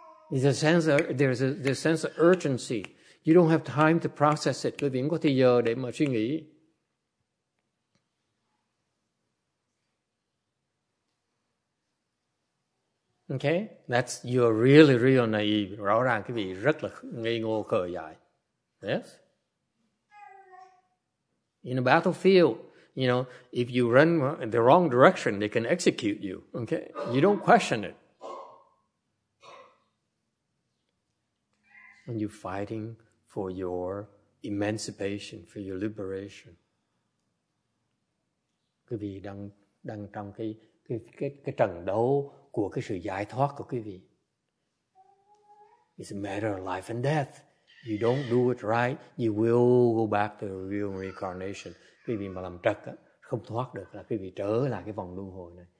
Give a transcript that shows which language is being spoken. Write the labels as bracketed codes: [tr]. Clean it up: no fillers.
[en] It's a sense of, there's a sense of urgency. You don't have time to process it. [vi] Quý vị có thời giờ để mà suy nghĩ. [en] Okay, that's you're really, really naive. [vi] Rõ ràng quý vị rất là ngây ngô khờ dại. [en] Yes. In a battlefield, you know, if you run in the wrong direction, they can execute you. Okay, you don't question it. And you're fighting for your emancipation, for your liberation. [vi] Quý vị đang trong cái trận đấu của cái sự giải thoát của quý vị. [en] It's a matter of life and death. You don't do it right, you will go back to real reincarnation. [vi] Quý vị mà làm trật á, không thoát được là quý vị trở lại cái vòng luân hồi này.